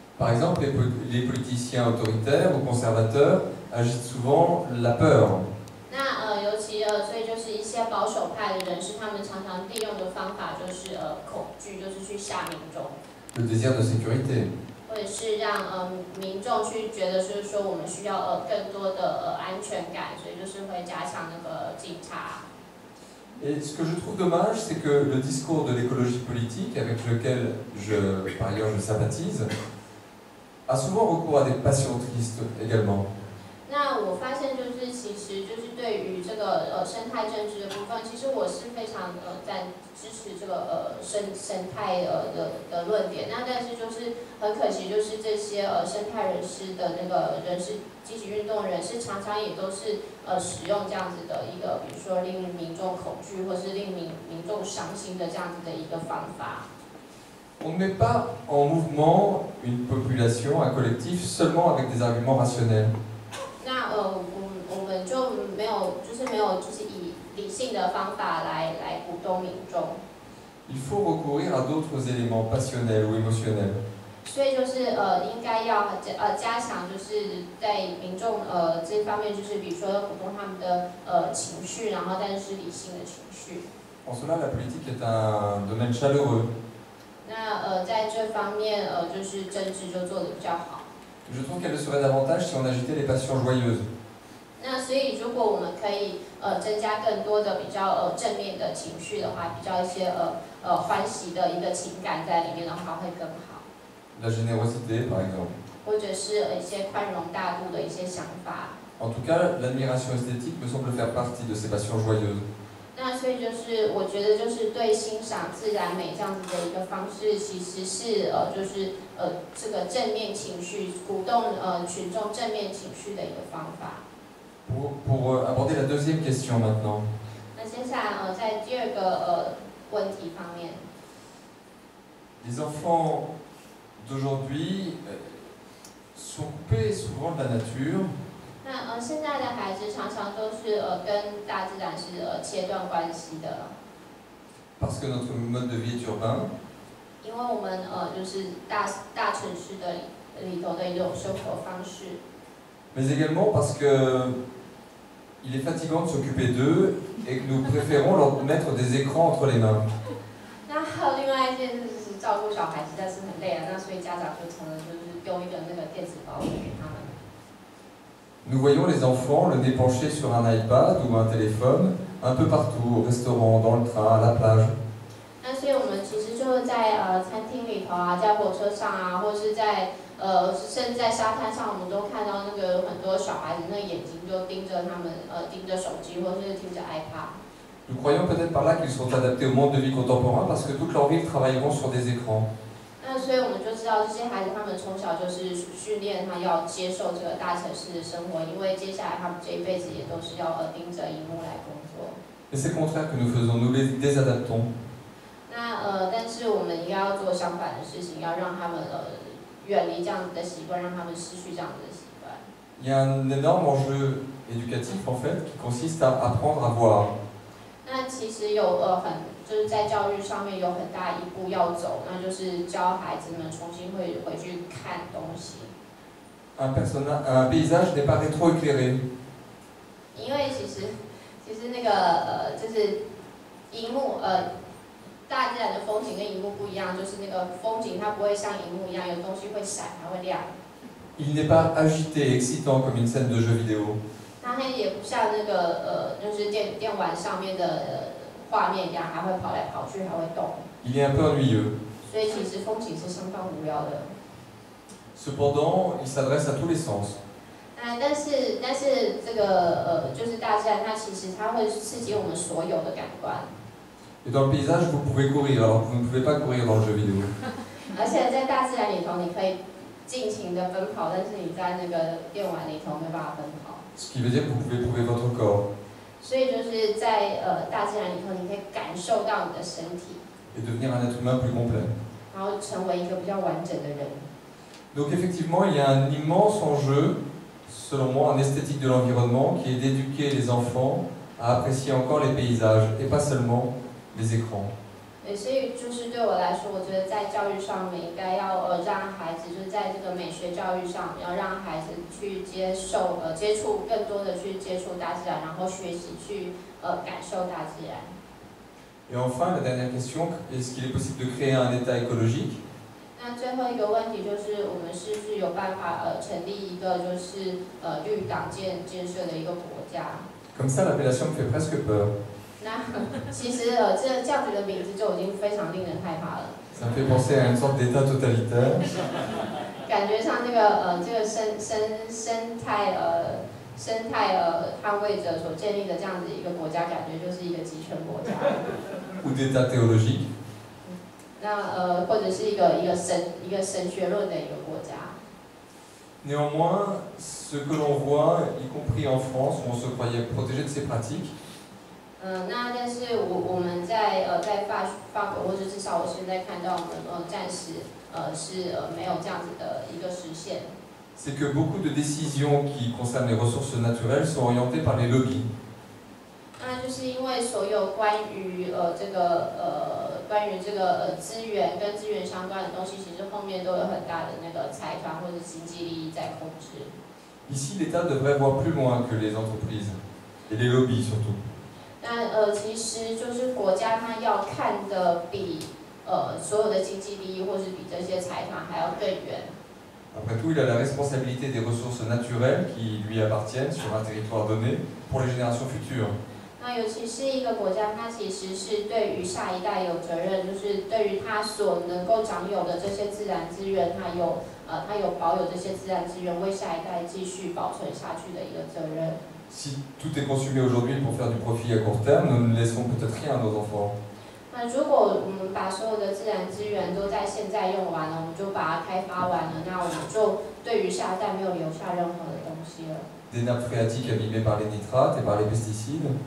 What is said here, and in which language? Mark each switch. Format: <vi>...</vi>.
<fr>Par exemple, les politiciens autoritaires ou conservateurs agitent souvent la peur.</fr> <zh>所以就是一些保守派的人士，他们常常利用的方法就是恐惧，就是去吓民众。</zh> <fr>Le désir de sécurité。</fr> <zh>或者是让民众去觉得是说我们需要更多的安全感，所以就是会加强那个警察。</zh> <fr>Et ce que je trouve dommage, c'est que le discours de l'écologie politique, avec lequel je sympathise, a souvent recours à des passions tristes également.</fr> <zh>那我发现就是其实就是对于这个生态政治的部分，其实我是非常在支持这个生态的论点。那但是就是很可惜，就是这些生态人士的那个人士，积极运动人士常常也都是使用这样子的一个，比如说令民众恐惧或是令民众伤心的这样子的一个方法。</zh> <fr>On ne met pas en mouvement une population, un collectif seulement avec des arguments rationnels.</fr> <zh>我们就没有，就是没有，就是以理性的方法来鼓动民众。</zh> <fr>Il faut recourir à d'autres éléments passionnels ou émotionnels。</fr> <zh>所以就是应该要加强，就是在民众这方面，就是比如说鼓动他们的情绪，然后但是理性的情绪。</zh> <fr>En cela, la politique est un domaine chaleureux。</fr> <zh>那在这方面就是政治就做得比较好。</zh> <fr>Je trouve qu'elle le serait davantage si on ajoutait les passions joyeuses.</fr> <zh>那所以如果我们可以增加更多的比较正面的情绪的话，比较一些欢喜的一个情感在里面的话，会更好。</zh> <fr>La générosité, par exemple.</fr> <zh>或者是一些宽容大度的一些想法。</zh> <fr>En tout cas, l'admiration esthétique me semble faire partie de ces passions joyeuses.</fr> <zh>那所以就是我觉得就是对欣赏自然美这样子的一个方式，其实是就是这个正面情绪鼓动群众正面情绪的一个方法。</zh> <fr>Pour aborder la deuxième question maintenant.</fr> <zh>那接下来在第二个问题方面。</zh> <fr>Les enfants d'aujourd'hui sont coupés souvent de la nature.</fr> <zh>那现在的孩子常常都是跟大自然是切断关系的。</zh> <fr>Parce que notre mode de vie est urbain.</fr> <zh>因为我们就是大城市的里头的一种生活方式。</zh> <fr>Mais également parce que il est fatigant de s'occuper d'eux et que nous préférons leur mettre des écrans entre les mains.</fr> <zh>那还有另外一件事是照顾小孩实在是很累啊，那所以家长就从了就是丢一个那个电子包给他们。</zh> <fr>Nous voyons les enfants le nez penché sur un iPad ou un téléphone un peu partout, au restaurant, dans le train, à la plage.</fr> <zh>那所以我们其实就在餐厅里头啊，在火车上啊，或是在甚至在沙滩上，我们都看到那个有很多小孩子那眼睛就盯着他们盯着手机，或是盯着 iPad。</zh> <fr>Nous croyons peut-être par là qu'ils sont adaptés au monde de vie contemporain parce que toute leur vie travailleront sur des écrans.</fr> <zh>那所以我们就知道这些孩子他们从小就是训练他要接受这个大城市的生活，因为接下来他们这一辈子也都是要盯着荧幕来工作。</zh> <fr>Et c'est contraire que nous faisons, nous les désadaptons.</fr> <zh>那但是我们要做相反的事情，要让他们远离这样子的习惯，让他们失去这样子的习惯。</zh> <fr>Il y a un énorme enjeu éducatif en fait qui consiste à apprendre à voir.</fr> <zh>那其实有很就是在教育上面有很大一步要走，那就是教孩子们重新回去看东西。</zh> <fr>Un personnage, un paysage n'est pas rétroéclairé.</fr> <zh>因为其实那个就是荧幕大自然的风景跟荧幕不一样，就是那个风景它不会像荧幕一样有东西会闪还会亮。</zh> <fr>Il n'est pas agité, excitant comme une scène de jeu vidéo.</fr> <zh>它也不像那个就是电玩上面的画面一样，还会跑来跑去，还会动。</zh> <fr>Il est un peu ennuyeux.</fr> <zh>所以其实风景是相当无聊的。</zh> <fr>Cependant, il s'adresse à tous les sens.</fr> <zh>但是这个就是大自然，它其实它会刺激我们所有的感官。</zh> <fr>Et dans le paysage, vous pouvez courir, alors que vous ne pouvez pas courir dans le jeu vidéo.</fr> <zh>而且在大自然里头，你可以尽情的奔跑，但是你在那个电玩里头没办法奔跑。</zh> <fr>Ce qui veut dire que vous pouvez prouver votre corps.</fr> <zh>所以就是在大自然里头，你可以感受到你的身体。</zh> <fr>Et devenir un être humain plus complet.</fr> <zh>然后成为一个比较完整的人。</zh> <fr>Donc effectivement, il y a un immense enjeu, selon moi, en esthétique de l'environnement, qui est d'éduquer les enfants à apprécier encore les paysages et pas seulement les écrans.</fr> <zh>所以就是对我来说，我觉得在教育上面应该要让孩子，就是在这个美学教育上，要让孩子去接受接触更多的去接触大自然，然后学习去感受大自然。</zh> <fr>Et enfin, la dernière question, est-ce qu'il est possible de créer un état écologique?</fr> <zh>那最后一个问题就是，我们是不是有办法成立一个就是绿党建设的一个国家</zh> <fr>？Comme ça, l'appellation me fait presque peur.</fr> <zh>那其实这样子的名字就已经非常令人害怕了。</zh> <fr>Ça fait penser à une sorte d'état totalitaire.</fr> <zh>感觉像这个生态捍卫者所建立的这样子一个国家，感觉就是一个集权国家。</zh> <fr>Ou d'état théologique.</fr> <zh>那或者是一个神学论的一个国家。</zh> <fr>Néanmoins, ce que l'on voit, y compris en France, où on se croyait protégé de ces pratiques.</fr> <zh>那但是我们在法国或者至少我现在看到我们暂时是没有这样子的一个实现。</zh> <fr>C'est que beaucoup de décisions qui concernent les ressources naturelles sont orientées par les lobbies.</fr> <zh>那就是因为所有关于这个资源跟资源相关的东西，其实后面都有很大的那个财团或者经济利益在控制。</zh> <fr>Ici, l'État devrait voir plus loin que les entreprises et les lobbies surtout.</fr> <zh>但其实就是国家，他要看的比所有的经济利益，或是比这些财团还要更远。</zh> <fr>Après tout, il a la responsabilité des ressources naturelles qui lui appartiennent sur un territoire donné pour les générations futures.</fr> <zh>那尤其是一个国家，它其实是对于下一代有责任，就是对于它所能够掌有的这些自然资源，它有保有这些自然资源，为下一代继续保存下去的一个责任。</zh> <fr>Si tout est consumé aujourd'hui pour faire du profit à court terme, nous ne laisserons peut-être rien à nos enfants.</fr> <zh>那如果我们把所有的自然资源都在现在用完了，我们就把它开发完了，那我们就对于下一代没有留下任何的东西了。</zh> <fr>Des nappes phréatiques abîmées par les nitrates et par les pesticides。</fr>